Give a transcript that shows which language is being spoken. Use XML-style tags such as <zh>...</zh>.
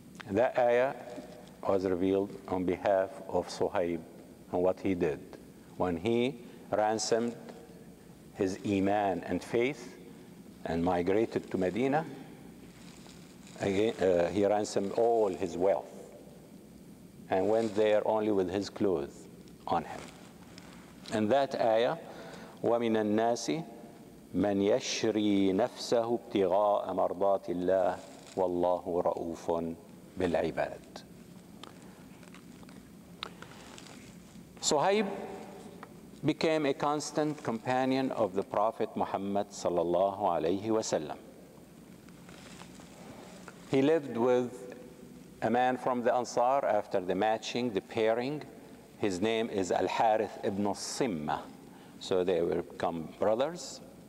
<en>That ayah was revealed on behalf of Suhaib and what he did when he ransomed his iman and faith and migrated to Medina. He ransomed all his wealth and went there only with his clothes on him.</en> <ar>And that ayah, وَمِنَ النَّاسِ مَنْ يَشْرِي نَفْسَهُ ابْتِغَاءَ مَرْضَاتِ اللَّهِ وَاللَّهُ رَؤُوفٌ بِالْعِبَادِ. Suhaib,</ar> <en>became a constant companion of the Prophet Muhammad sallallahu alayhi wasallam. He lived with a man from the Ansar after the matching, the pairing. His name is Al-Harith ibn Simma. So they were become brothers.</en>